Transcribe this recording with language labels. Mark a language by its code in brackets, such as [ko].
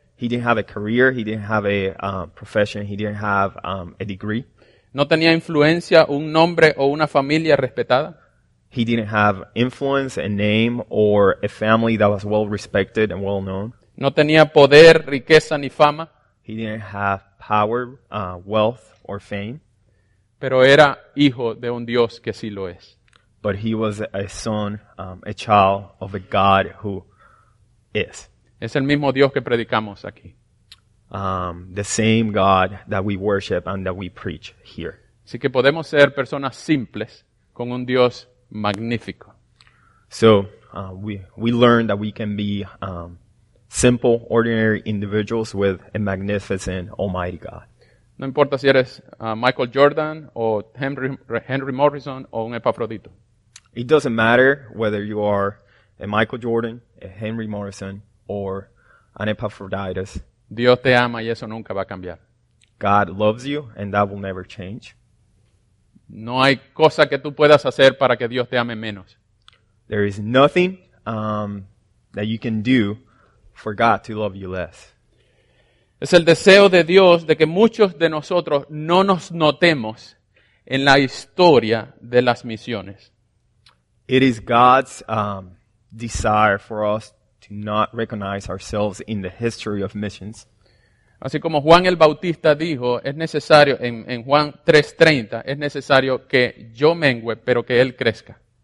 [en] He didn't have a career, he didn't have a profession, he didn't have a degree. [es] No tenía influencia, un nombre o una familia respetada. [en] He didn't have influence, a name, or a family that was well-respected and well-known. [es] No tenía poder, riqueza, ni fama. [en] He didn't have power, wealth, or fame. [es] Pero era hijo de un Dios que sí lo es. [en] But he was a son, a child of a God who is. [es] Es el mismo Dios que predicamos aquí. [en] The same God that we worship and that we preach here. [es] Así que podemos ser personas simples con un Dios magnífico. [en] So we learned that we can be simple, ordinary individuals with a magnificent, almighty God. [es] No importa si eres Michael Jordan o Henry Morrison o un Epafrodito. [en] It doesn't matter whether you are a Michael Jordan, a Henry Morrison, or an Epaphroditus. [es] Dios te ama y eso nunca va a cambiar. [en] God loves you and that will never change. [es] No hay cosa que tú puedas hacer para que Dios te ame menos. [en] There is nothing that you can do for God to love you less. [es] Es el deseo de Dios de que muchos de nosotros no nos notemos en la historia de las misiones. [en] It is God's desire for us to not recognize ourselves in the history of missions. [es] Así como Juan el Bautista dijo, es necesario, en Juan 3:30, es necesario que yo mengüe, pero que él crezca.